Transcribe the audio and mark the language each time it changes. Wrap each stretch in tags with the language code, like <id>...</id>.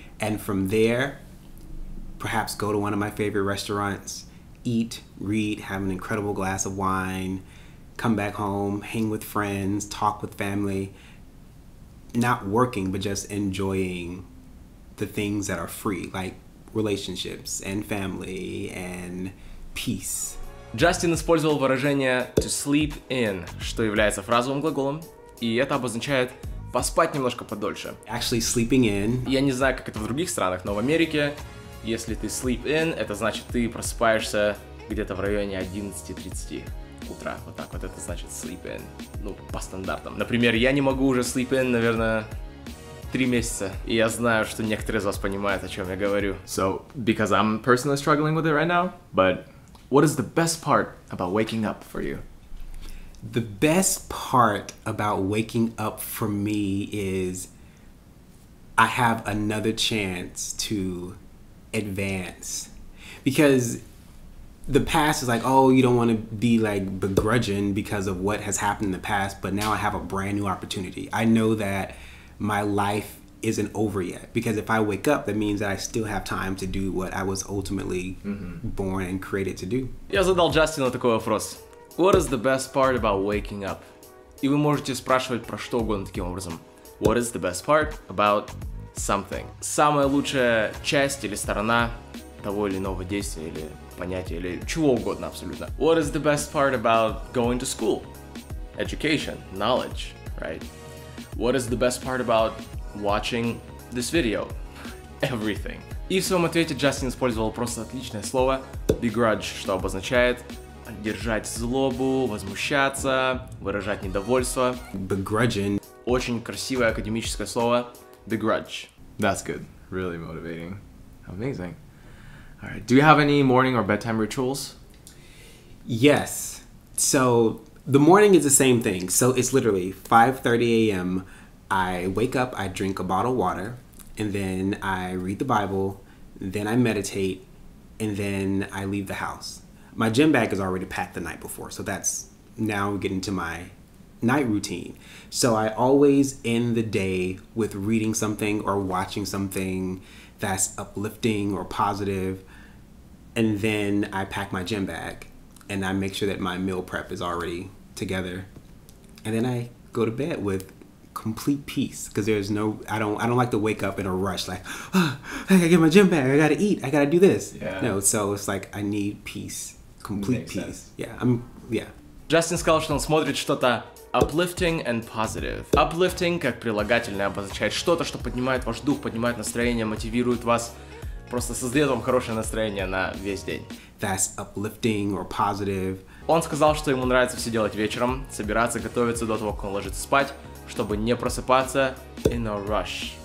<en>And from there, perhaps go to one of my favorite restaurants, eat, read, have an incredible glass of wine, come back home, hang with friends, talk with family, not working, but just enjoying the things that are free, like relationships and family and peace.</en> <ru>Джастин использовал выражение</ru> <en>to sleep in,</en> <ru>что является фразовым глаголом, и это обозначает поспать немножко подольше.</ru> <en>Actually sleeping in.</en> <ru>Я не знаю, как это в других странах, но в Америке, если ты</ru> <en>sleep in,</en> <ru>это значит, ты просыпаешься где-то в районе 11:30 утра. Вот так вот это значит</ru> <en>sleep in.</en> <ru>Ну, по стандартам. Например, я не могу уже sleep in, наверное, 3 месяца. И я знаю, что некоторые из вас понимают, о чем я говорю.</ru> <en>So, because I'm personally struggling with it right now, but what is the best part about waking up for you? The best part about waking up for me is I have another chance to advance. Because the past is like, oh, you don't want to be like begrudging because of what has happened in the past, but now I have a brand new opportunity. I know that my life isn't over yet, because if I wake up, that means that I still have time to do what I was ultimately born and created to do.</en> <ru>Я задал Джастину такой вопрос.</ru> <en>What is the best part about waking up?</en> <ru>И вы можете спрашивать про что угодно таким образом.</ru> <en>What is the best part about something?</en> <ru>Самая лучшая часть или сторона того или иного действия или понятия или чего угодно абсолютно.</ru> <en>What is the best part about going to school? Education, knowledge, right? What is the best part about watching this video? Everything.</en> <ru>И в своем ответе Джастин использовал просто отличное слово begrudge, что обозначает держать злобу, возмущаться, выражать недовольство.</ru> <en>Begrudging.</en> <ru>Очень красивое академическое слово.</ru> <en>Begrudge. That's good. Really motivating. Amazing. All right. Do you have any morning or bedtime rituals? Yes. So the morning is the same thing. So it's literally 5:30 a.m. I wake up, I drink a bottle of water, and then I read the Bible, then I meditate, and then I leave the house. My gym bag is already packed the night before, so that's now getting to my night routine. So I always end the day with reading something or watching something that's uplifting or positive, and then I pack my gym bag and I make sure that my meal prep is already together, and then I go to bed with complete peace, because there's no, I don't like to wake up in a rush like, oh, I gotta get my gym bag, I gotta eat, I gotta do this. Yeah. No, so it's like I need peace, complete peace.</en> <ru>Джастин сказал, что он смотрит что-то</ru> <en>uplifting and positive.</en> <ru>Uplifting как прилагательное обозначает что-то, что поднимает ваш дух, поднимает настроение, мотивирует вас, просто создает вам хорошее настроение на весь день.</ru> <en>That's uplifting or positive.</en> <ru>Он сказал, что ему нравится все делать вечером, собираться, готовиться до того, как он ложится спать, чтобы не просыпаться</ru> <en>in a rush.</en>